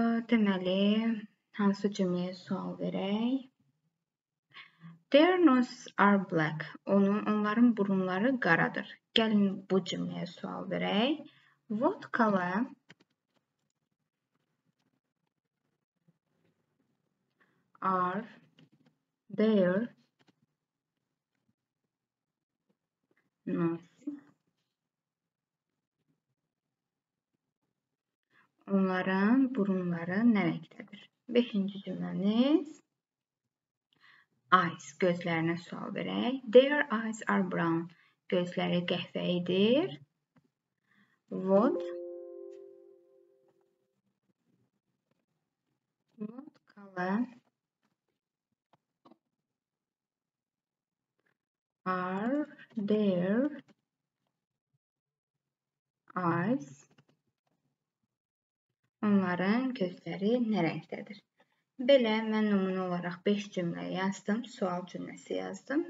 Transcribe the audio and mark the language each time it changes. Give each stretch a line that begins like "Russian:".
Azerbaijani: Deməli, hansı cümləyə sual verək?
English: Their noses are black.
Azerbaijani: Onların burunları qaradır. Gəlin bu cümləyə sual verək.
English: What color are their noses?
Azerbaijani: Onların burunları nə rəngdədir? 5-ci cümləmiz. Eyes, gözlərinə sual verək.
English: Their eyes are brown.
Azerbaijani: Gözləri qəhvəyidir.
English: What color are their eyes?
Azerbaijani: Onların gözləri nə rəngdədir? Belə, mən nümunə olaraq 5 cümlə yazdım, sual cümləsi yazdım.